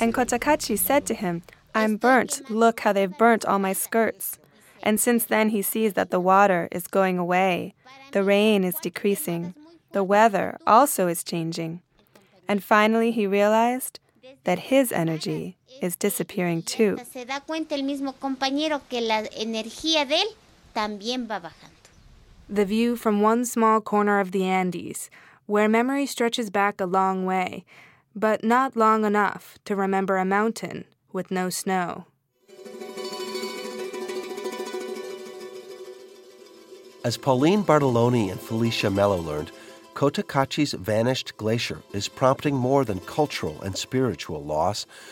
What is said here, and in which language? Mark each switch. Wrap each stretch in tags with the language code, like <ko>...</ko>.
<en>And Cotacachi said to him, I'm burnt. Look how they've burnt all my skirts. And since then, he sees that the water is going away. The rain is decreasing. The weather also is changing. And finally, he realized that his energy is disappearing too.</en> <es>Se da cuenta el mismo compañero que la energía de él también va bajando.</es> <en>The view from one small corner of the Andes, where memory stretches back a long way, but not long enough to remember a mountain with no snow. As Pauline Bartoloni and Felicia Mello learned, Cotacachi's vanished glacier is prompting more than cultural and spiritual loss.</en>